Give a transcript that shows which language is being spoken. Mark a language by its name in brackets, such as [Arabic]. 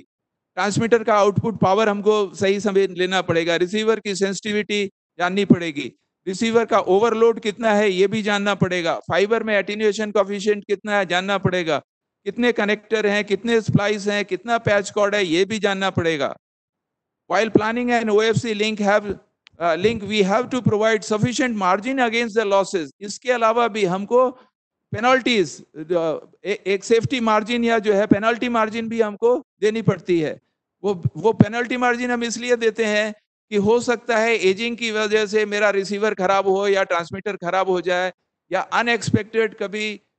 [Hindi] Transmitter का output power हमको सही समय लेना पड़ेगा, रिसीवर की सेंसिटिविटी जाननी पड़ेगी, रिसीवर का ओवरलोड कितना है ये भी जानना पड़ेगा, फाइबर में एटीन्यूएशन कोएफिशिएंट कितना है जानना पड़ेगा, कितने कनेक्टर हैं, कितने स्प्लाइस हैं, कितना पैच कॉर्ड है ये भी जानना पड़ेगा। [English] While planning an OFC link we have to provide sufficient margin against the losses. [Hindi] इसके अलावा भी हमको penalties, एक safety margin या जो है penalty margin भी हमको देनी पड़ती है। वो penalty margin हम इसलिए देते हैं कि हो सकता है aging की वजह से मेरा receiver खराब हो या transmitter खराब हो जाए या unexpected कभी